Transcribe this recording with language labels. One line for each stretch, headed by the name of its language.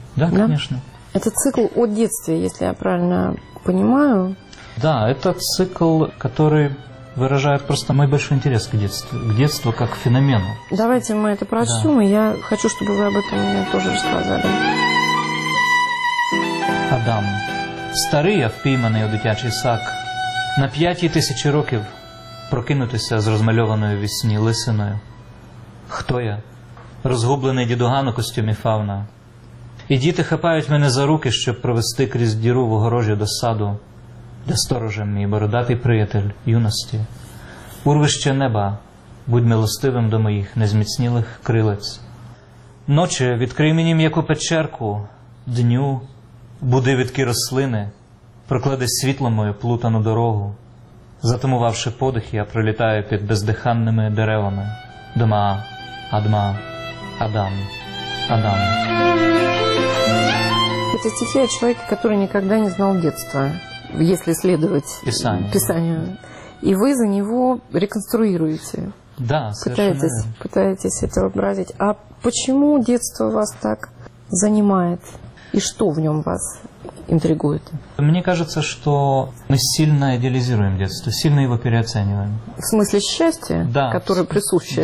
Russian: Да, да, конечно. Это цикл о детстве, если я правильно понимаю. Да, это цикл, который выражает просто мой большой интерес к детству как феномену. Давайте мы это прочтем, да. И я хочу, чтобы вы об этом мне тоже рассказали.
Ukrainian: Адам, старий, впійманий у дитячий сак, на 5000 років прокинутися з розмальованою в сні лисиною. Хто я? Розгублений дідуган у костюмі фауна. І діти хапають мене за руки, щоб провести крізь діру в огорожі до саду, де сторожем мій бородатий приятель юності. Урвище неба, будь милостивим до моїх незміцнілих крилець. Ночі, відкрий мені м'яку печерку, дню, буди відкі рослини, проклади світло мою плутану дорогу. Затамувавши подих, я пролітаю під бездиханними деревами. Дома, Адма, Адам, Адам. Це стихи о чоловіка, який ніколи не знав дитинства, якщо слідувати писанню. І ви за нього реконструюєте.
Russian: Да, совершенно. Пытаетесь это вообразить. А почему детство вас так занимает? И что в нем вас интригует? Мне кажется, что мы сильно идеализируем детство, сильно его переоцениваем. В смысле счастья, да, которое присуще,